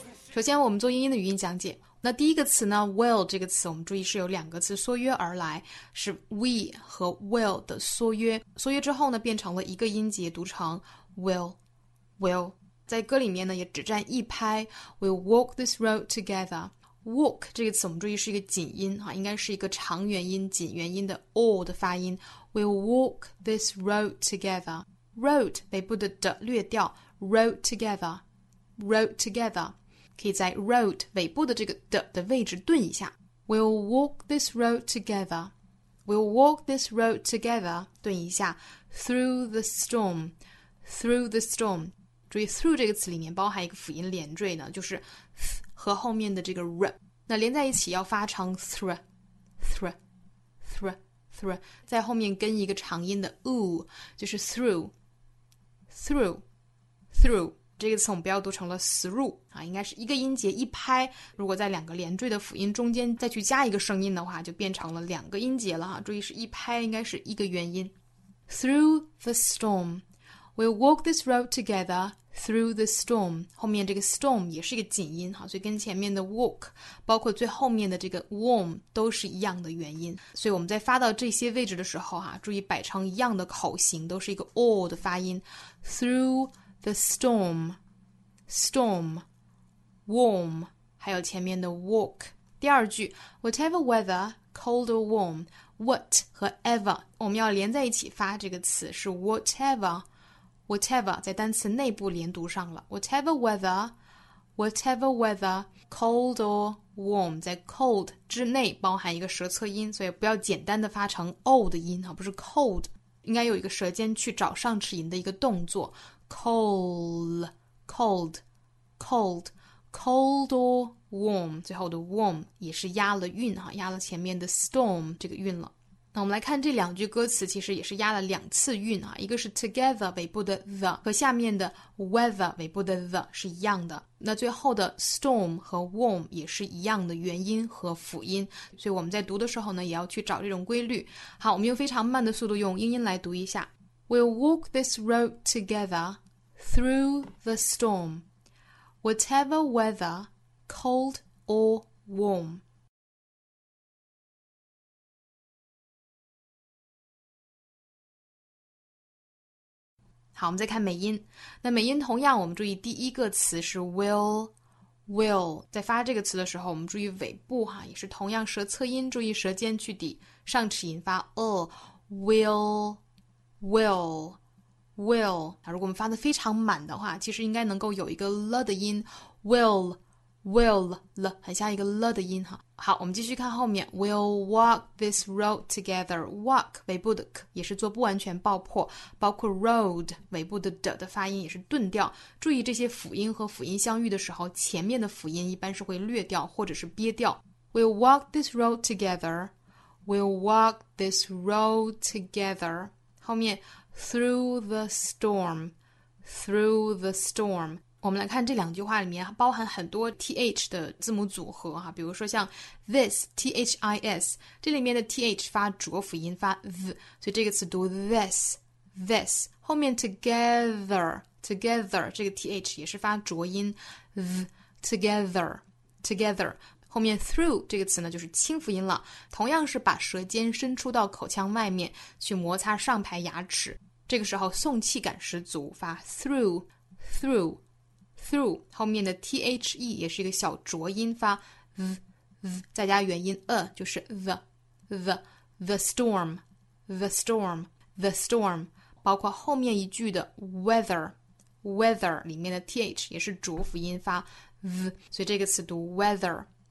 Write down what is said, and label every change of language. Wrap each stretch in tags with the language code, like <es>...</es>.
<zh>首先我们做英音的语音讲解，那第一个词呢 will 这个词我们注意是有两个词缩约而来，是 we 和 will 的缩约，缩约之后呢变成了一个音节读成 will will， 在歌里面呢也只占一拍。</zh> <en>We'll walk this road together，</en> <zh>walk 这个词我们注意是一个紧音啊，应该是一个长元音紧元音的 all 的发音。</zh> <en>We'll walk this road together，</en> <zh>road 北部的的略掉， road together， road together，可以在 road 尾部的这个的位置顿一下。</zh> <en>We'll walk this road together. We'll walk this road together.</en> <zh>顿一下。</zh> <en>Through the storm. Through the storm.</en> <zh>注意 through 这个词里面包含一个辅音连缀呢，就是 th 和后面的这个 r， 那连在一起要发成 thr thr thr thr， 在后面跟一个长音的 oo， 就是 through through through。这个词我们不要读成了 through 啊，应该是一个音节一拍，如果在两个连缀的辅音中间再去加一个声音的话，就变成了两个音节了哈。注意是一拍，应该是一个元音。</zh> <en>Through the storm, we'll walk this road together through the storm.</en> <zh>后面这个 storm 也是一个紧音哈，所以跟前面的 walk， 包括最后面的这个 warm 都是一样的元音。所以我们在发到这些位置的时候哈，注意摆成一样的口型，都是一个 all 的发音。</zh> <en>Through the storm, storm, warm,</en> <zh>还有前面的</zh> <en>walk。</en> <zh>第二句</zh> <en>whatever weather, cold or warm，</en> <zh>what 和 ever 我们要连在一起发，这个词是 whatever， whatever 在单词内部连读上了，</zh> <en>whatever weather， whatever weather， cold or warm，</en> <zh>在 cold 之内包含一个舌侧音，所以不要简单的发成 o 的音，不是 cold， 应该有一个舌尖去找上齿龈的一个动作。</zh> <en>Cold, cold, cold, cold or warm.</en> <zh>最后的 warm 也是压了韵哈，压了前面的 storm 这个韵了。那我们来看这两句歌词，其实也是压了两次韵啊。一个是 together 尾部的 the 和下面的 weather 尾部的 the 是一样的。那最后的 storm 和 warm 也是一样的元音和辅音，所以我们在读的时候呢，也要去找这种规律。好，我们用非常慢的速度用英音来读一下。</zh> <en>We'll walk this road together through the storm, whatever weather, cold or warm. Okay,</en> <zh>我们再看美音。那美音同样，我们注意第一个词是 will, will. 在发这个词的时候，我们注意尾部哈，也是同样舌侧音，注意舌尖去抵上齿龈发 will.</zh> <en>Will, will.</en> <zh>如果我们发的非常满的话，其实应该能够有一个 l 的音。 Will, will, l 很像一个 l 的音哈。好，我们继续看后面。</zh> <en>We'll walk this road together.</en> <zh>Walk 尾部的 k 也是做不完全爆破，包括 road 尾部的 d 的发音也是顿掉。注意这些辅音和辅音相遇的时候，前面的辅音一般是会略掉或者是憋掉。</zh> <en>We'll walk this road together. We'll walk this road together.</en> <zh>后面</zh> <en>through the storm, through the storm。</en> <zh>我们来看这两句话里面包含很多 th 的字母组合哈，比如说像 this, t-h-i-s， 这里面的 th 发浊辅音发 th， 所以这个词读 this, this。后面 together, together 这个 th 也是发浊音 th， together, together。后面 through 这个词呢就是清辅音了，同样是把舌尖伸出到口腔外面去摩擦上排牙齿，这个时候送气感十足发 through through through 后面的 THE 也是一个小浊音发 V 再加元音 E 就是 The storm 包括后面一句的 weather 里面的 TH 也是浊辅音发 V 所以这个词读 weather</zh>